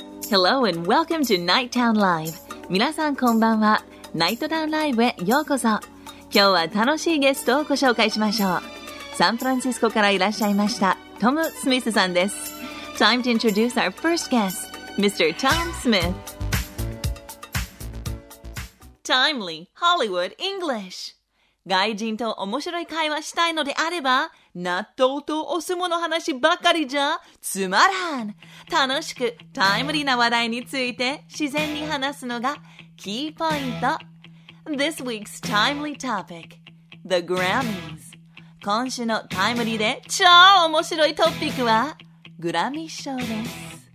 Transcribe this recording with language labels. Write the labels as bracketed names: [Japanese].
[English] Hello and welcome to Nighttown Live. [Japanese] 皆さんこんばんは。 Nighttown Live へようこそ。今日は楽しいゲストをご紹介しましょう。サンフランシスコからいらっしゃいました、トム・スミスさんです。 [English] Time to introduce our first guest, Mr. Tom Smith. Timely Hollywood English. [Japanese] 外人と面白い会話したいのであれば、納豆とお相撲の話ばかりじゃつまらん。楽しくタイムリーな話題について自然に話すのがキーポイント。 [English] This week's timely topic, the Grammys. [Japanese] 今週のタイムリーで超面白いトピックはグラミー賞です。